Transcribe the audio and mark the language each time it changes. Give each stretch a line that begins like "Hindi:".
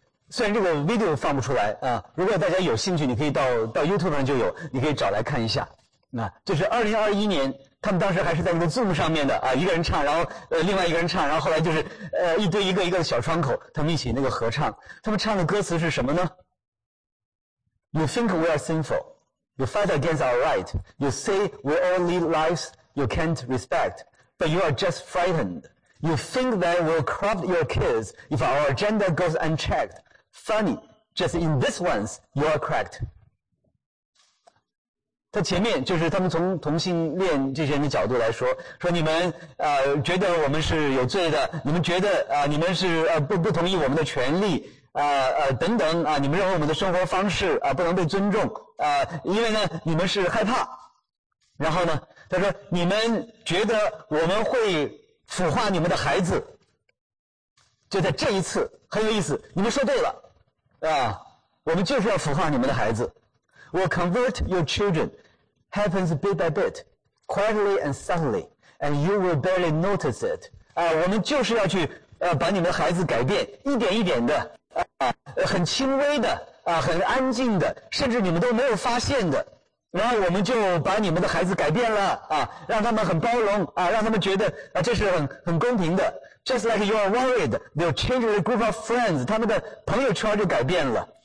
Chinese: 虽然这个 video 放不出来啊，如果大家有兴趣，你可以到 YouTube 上就有，你可以找来看一下。那就是2021年，他们当时还是在那个 Zoom 上面的啊，一个人唱，然后另外一个人唱，然后后来就是一堆一个一个的小窗口，他们一起那个合唱。他们唱的歌词是什么呢？
English: You think we are sinful. You fight against our right. You say we all lead lives you can't respect. But you are just frightened. You think that we'll corrupt your kids if our agenda goes unchecked. Funny, just in this once, you are cracked.
Chinese: 他前面就是他们从同性恋这些人的角度来说，说你们觉得我们是有罪的，你们觉得你们是不同意我们的权利。等等啊，你们认为我们的生活方式啊不能被尊重啊，因为呢你们是害怕，然后呢他说你们觉得我们会腐化你们的孩子，就在这一次很有意思，你们说对了啊，我们就是要腐化你们的孩子。
English: We'll convert your children happens bit by bit, quietly and subtly, and you will barely notice it.
Chinese: 啊，我们就是要去把你们的孩子改变，一点一点的。很轻微的很安静的，甚至你们都没有发现的，然后我们就把你们的孩子改变了让他们很包容让他们觉得这是很公平的。
English: Just like you are worried, they'll change the group of friends,
Chinese: 他们的朋友圈就改变了。